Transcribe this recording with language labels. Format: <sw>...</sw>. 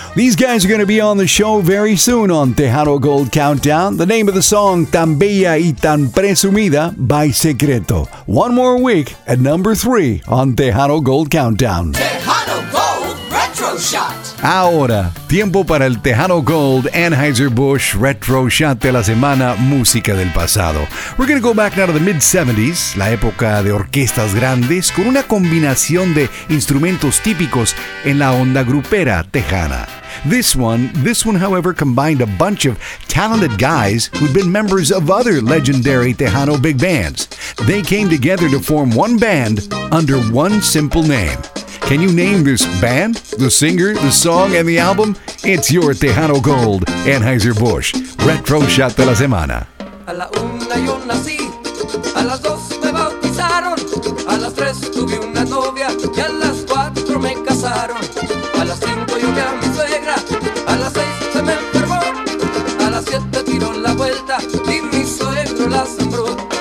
<en>These guys are going to be on the show very soon on Tejano Gold Countdown. The name of the song, Tan Bella y Tan Presumida by Secreto. One more week at number three on Tejano Gold Countdown. Tejano Gold Retro Shot.</en> <es>Ahora, tiempo para el Tejano Gold Anheuser-Busch Retro Shot de la Semana, música del pasado.</es> <en>We're going to go back now to the mid-70s,</en> <es>la época de orquestas grandes, con una combinación de instrumentos típicos en la onda grupera tejana.</es> <en>This one, however, combined a bunch of talented guys who'd been members of other legendary Tejano big bands. They came together to form one band under one simple name. Can you name this band, the singer, the song, and the album? It's your Tejano Gold, Anheuser-Busch, Retro Shot</en> <es>de la Semana. A la una yo nací, a las dos me bautizaron, a las tres tuve una novia y a las cuatro me casaron. A las cinco yo vi a mi suegra, a las seis se me enfermó, a las siete tiró la vuelta y mi suegro la sembró.</es>